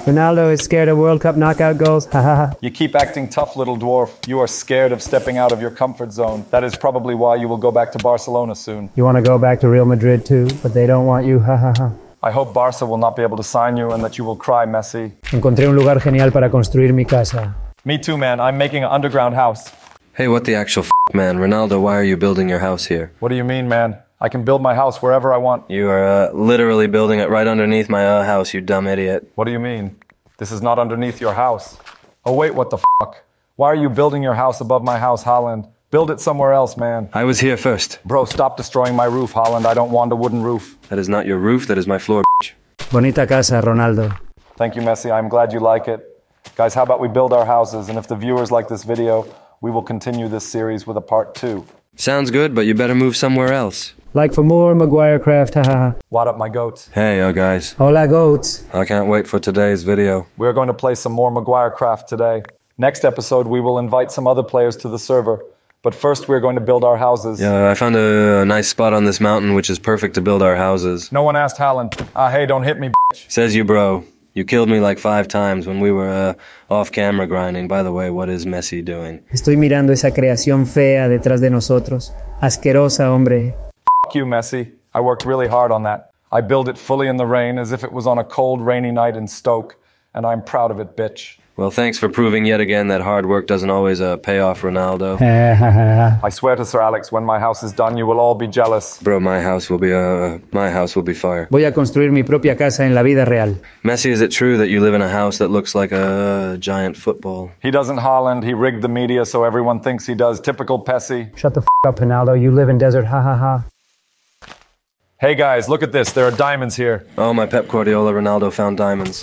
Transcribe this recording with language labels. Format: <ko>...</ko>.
<en>Ronaldo is scared of World Cup knockout goals, ha ha ha. You keep acting tough, little dwarf. You are scared of stepping out of your comfort zone. That is probably why you will go back to Barcelona soon. You want to go back to Real Madrid too, but they don't want you, ha ha ha. I hope Barca will not be able to sign you and that you will cry, Messi.</en> <es>Encontré un lugar genial para construir mi casa.</es> <en>Me too, man. I'm making an underground house. Hey, what the actual f***, man? Ronaldo, why are you building your house here? What do you mean, man? I can build my house wherever I want. You are literally building it right underneath my house, you dumb idiot. What do you mean? This is not underneath your house. Oh wait, what the f***? Why are you building your house above my house, Haaland? Build it somewhere else, man. I was here first. Bro, stop destroying my roof, Haaland. I don't want a wooden roof. That is not your roof, that is my floor, bitch.</en> <es>Bonita casa, Ronaldo.</es> <en>Thank you, Messi. I'm glad you like it. Guys, how about we build our houses, and if the viewers like this video, we will continue this series with a part two. Sounds good, but you better move somewhere else. Like for more Maguirecraft, haha. What up, my goats? Hey, yo, guys.</en> <es>Hola, goats.</es> <en>I can't wait for today's video. We are going to play some more Maguirecraft today. Next episode, we will invite some other players to the server. But first, we are going to build our houses. Yeah, I found a nice spot on this mountain, which is perfect to build our houses. No one asked Haaland. Hey, don't hit me, bitch. Says you, bro. You killed me like 5 times when we were off-camera grinding. By the way, what is Messi doing?</en> <es>Estoy mirando esa creación fea detrás de nosotros. Asquerosa, hombre.</es> <en>F*** you, Messi. I worked really hard on that. I built it fully in the rain as if it was on a cold, rainy night in Stoke. And I'm proud of it, bitch. Well, thanks for proving yet again that hard work doesn't always pay off, Ronaldo. I swear to Sir Alex, when my house is done, you will all be jealous. Bro, my house will be fire.</en> <es>Voy a construir mi propia casa en la vida real.</es> <en>Messi, is it true that you live in a house that looks like a giant football? He doesn't, Haaland. He rigged the media so everyone thinks he does. Typical Pessy. Shut the f*** up, Ronaldo. You live in desert, ha ha ha. Hey guys, look at this. There are diamonds here. Oh, my Pep Guardiola Ronaldo found diamonds.</en>